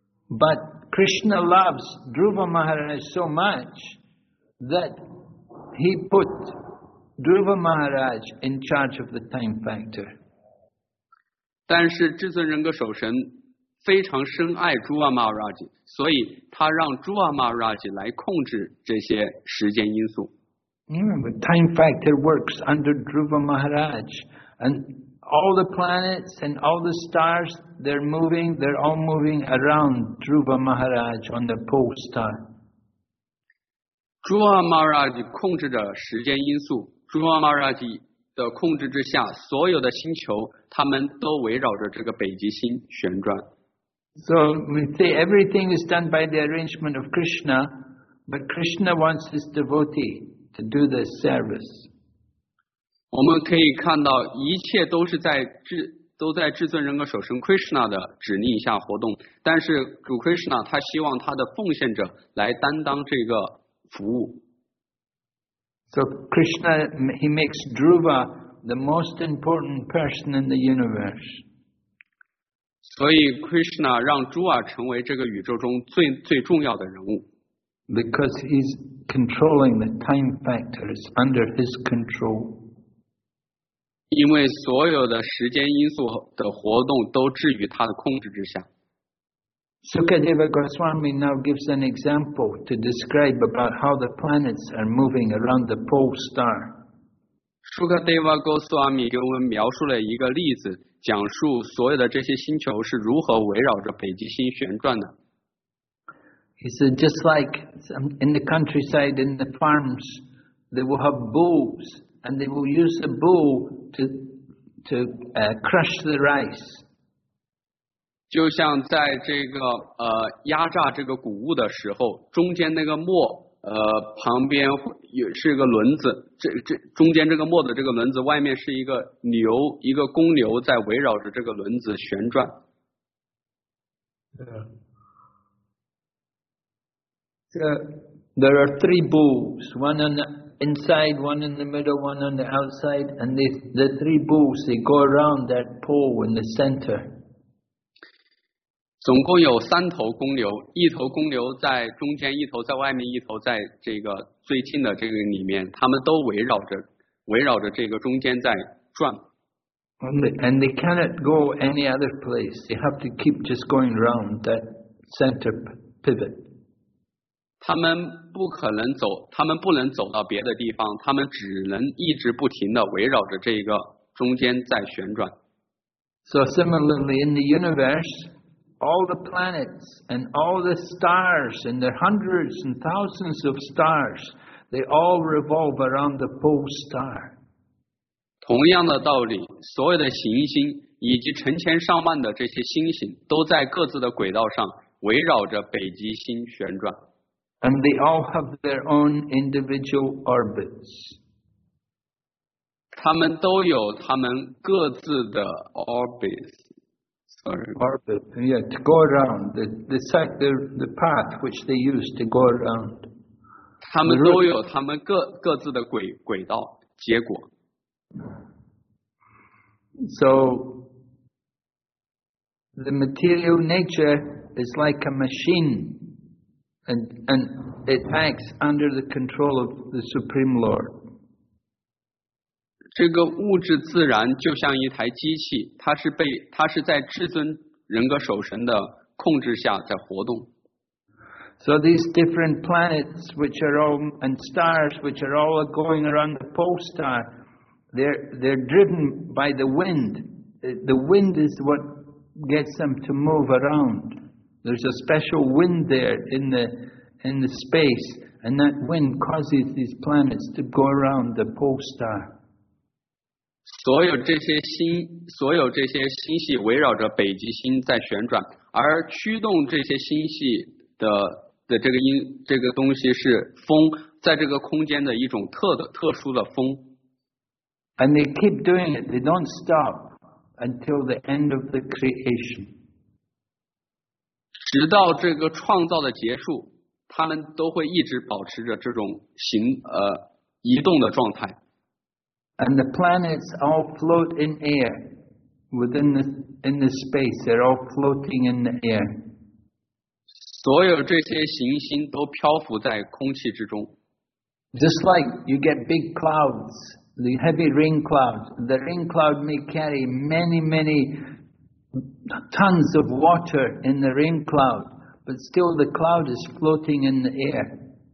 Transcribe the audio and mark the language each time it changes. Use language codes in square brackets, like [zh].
[en] But Krishna loves Dhruva Maharaj so much that he put Dhruva Maharaj in charge of the time factor. [zh] 但是至尊人格守神非常深爱朱瓦马拉吉，所以他让朱瓦马拉吉来控制这些时间因素。 [en] But time factor works under Dhruva Maharaj, and all the planets and all the stars, they're moving, they're all moving around Dhruva Maharaj on the pole star. [zh] 朱瓦马拉吉控制着时间因素，朱瓦马拉吉的控制之下，所有的星球他们都围绕着这个北极星旋转。 [en] So we say everything is done by the arrangement of Krishna, but Krishna wants his devotee to do this service. [zh] 我们可以看到一切都是都在至尊人格守神 Krishna 的指令下活动，但是主 Krishna 他希望他的奉献者来担当这个服务。 [en] So Krishna, he makes Dhruva the most important person in the universe. [zh] 所以 Krishna 让 Dhruva 成为这个宇宙中最最重要的人物。 [en] Because he's controlling the time factors under his control. [zh] 因为所有的时间因素的活动都置于他的控制之下。 [en] Sukadeva Goswami now gives an example to describe about how the planets are moving around the pole star. [zh] Sukadeva Goswami 给我们描述了一个例子，讲述所有的这些星球是如何围绕着北极星旋转的。 [en] He said, just like in the countryside, in the farms, they will have bulls, and they will use a bull to crush the rice. [zh] 就像在这个压榨这个谷物的时候，中间那个磨旁边也是一个轮子，这中间这个磨的这个轮子外面是一个牛，一个公牛在围绕着这个轮子旋转。 [en] There are three bulls, one on the inside, one in the middle, one on the outside, and the three bulls they go around that pole in the center. [zh] 总共有三头公牛，一头公牛在中间，一头在外面，一头在这个最近的这个里面，他们都围绕着这个中间在转。 [en] And they cannot go any other place. They have to keep just going around that center pivot. [zh] 他们不能走到别的地方，他们只能一直不停地围绕着这个中间在旋转。 [en] So similarly in the universe,All the planets and all the stars and the hundreds and thousands of stars, they all revolve around the pole star. [zh] 同样的道理，所有的行星以及成千上万的这些星星都在各自的轨道上围绕着北极星旋转。 [en] And they all have their own individual orbits. [zh] 他们都有他们各自的 orbits. [en] Orbit, yeah, to go around the path which they use to go around. [zh] 他们都有他们各自的轨道结果。 [en] So the material nature is like a machine, and it acts under the control of the Supreme Lord. [zh] 这个物质自然就像一台机器，它是在至尊人格守神的控制下在活动。 [en] So these different planets which are all and stars which are all going around the pole star, they're driven by the wind. The wind is what gets them to move around. There's a special wind there in the space, and that wind causes these planets to go around the pole star. [zh] 所有这些星系围绕着北极星在旋转，而驱动这些星系的这个东西是风，在这个空间的一种特殊的风。 [en] And they keep doing it, they don't stop. until the end of the creation. [zh] 直到这个创造的结束，他们都会一直保持着这种行移动的状态。 [en] And the planets all float in air within the in the space. They're all floating in the air. [zh] 所有这些行星都漂浮在空气之中。 [en] Just like you get big clouds, the heavy rain clouds. The rain cloud may carry many, many tons of water in the rain cloud, but still the cloud is floating in the air.